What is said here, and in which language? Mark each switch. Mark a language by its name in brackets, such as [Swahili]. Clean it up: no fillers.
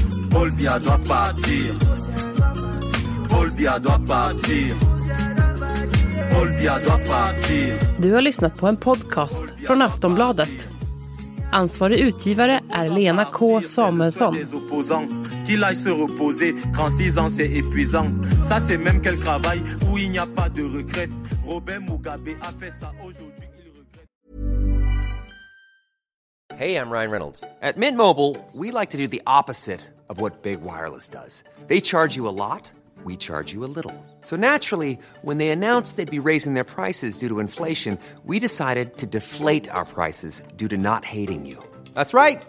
[French] Paul Biya doit partir. Paul Biya doit partir. Paul Biya doit partir. [Swedish] Du har lyssnat på en podcast från Aftonbladet. Ansvarig utgivare är Lena K. Samuelsson. [French] Les opposants qui laissent se reposer 36 ans c'est épuisant. Ça c'est même quel travail où il n'y a pas de regret. Robert Mugabe a fait ça aujourd'hui. [English] Hey, I'm Ryan Reynolds. At Mint Mobile, we like to do the opposite of what Big Wireless does. They charge you a lot, we charge you a little. So naturally, when they announced they'd be raising their prices due to inflation, we decided to deflate our prices due to not hating you. That's right.